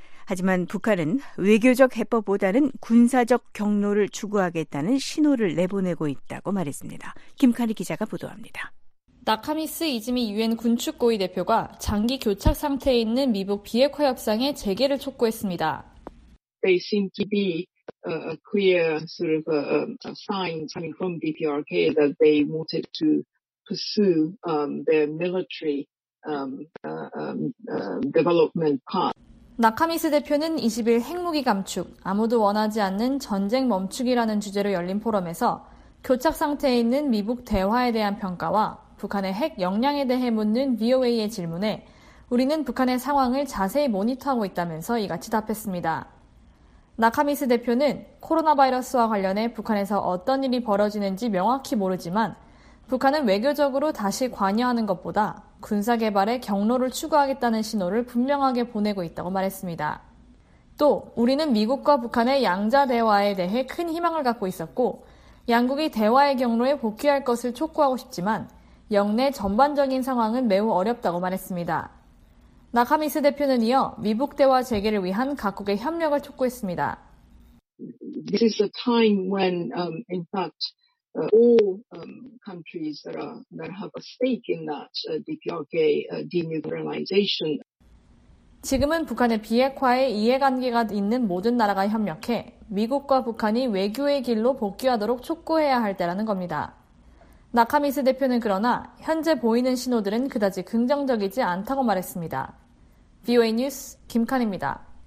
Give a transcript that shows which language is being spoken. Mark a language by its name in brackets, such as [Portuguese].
[Korean] 하지만 북한은 외교적 해법보다는 군사적 경로를 추구하겠다는 신호를 내보내고 있다고 말했습니다. 김카리 기자가 보도합니다. 나카미스 이즈미 유엔 군축 고위 대표가 장기 교착 상태에 있는 미북 비핵화 협상의 재개를 촉구했습니다. [English] They seem to be a clear sort of a sign coming from BPRK that they wanted to pursue their military development path. [Korean] 나카미스 대표는 20일 핵무기 감축, 아무도 원하지 않는 전쟁 멈추기라는 주제로 열린 포럼에서 교착 상태에 있는 미북 대화에 대한 평가와 북한의 핵 역량에 대해 묻는 VOA의 질문에 우리는 북한의 상황을 자세히 모니터하고 있다면서 이같이 답했습니다. 나카미스 대표는 코로나 바이러스와 관련해 북한에서 어떤 일이 벌어지는지 명확히 모르지만 북한은 외교적으로 다시 관여하는 것보다 군사 개발의 경로를 추구하겠다는 신호를 분명하게 보내고 있다고 말했습니다. 또 우리는 미국과 북한의 양자 대화에 대해 큰 희망을 갖고 있었고 양국이 대화의 경로에 복귀할 것을 촉구하고 싶지만 영내 전반적인 상황은 매우 어렵다고 말했습니다. 나카미스 대표는 이어 미북 대화 재개를 위한 각국의 협력을 촉구했습니다. [English] This is a time when in fact all countries that have a stake in that DPRK demilitarization. [Korean] 지금은 북한의 비핵화에 이해관계가 있는 모든 나라가 협력해 미국과 북한이 외교의 길로 복귀하도록 촉구해야 할 때라는 겁니다. 나카미스 대표는 그러나 현재 보이는 신호들은 그다지 긍정적이지 않다고 말했습니다. VOA 뉴스 김칸입니다.